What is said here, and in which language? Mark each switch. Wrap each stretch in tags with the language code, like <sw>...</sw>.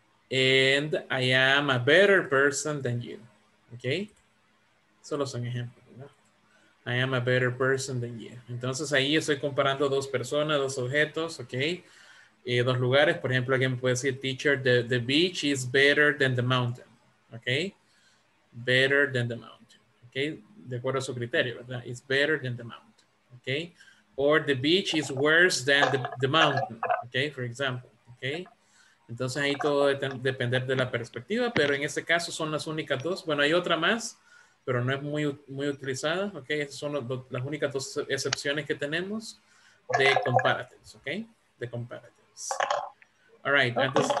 <en>And I am a better person than you.</en> <es>¿Ok? Solo son ejemplos, ¿no?</es> <en>I am a better person than you.</en> <es>Entonces ahí estoy comparando dos personas, dos objetos. ¿Ok? Dos lugares. Por ejemplo, alguien puede decir, teacher,</es> <en>the beach is better than the mountain. Okay, better than the mountain. Okay,</en> <es>de acuerdo a su criterio, ¿verdad?</es> <en>It's better than the mountain. Okay, or the beach is worse than the mountain. Okay, for example.</en> <es>Okay, entonces ahí todo depende de la perspectiva, pero en este caso son las únicas dos. Bueno, hay otra más, pero no es muy, muy utilizada. Okay, esas son las únicas dos excepciones que tenemos de comparatives.</es> <en>Okay,</en> <es>de</es> <en>comparatives. All right, okay.</en>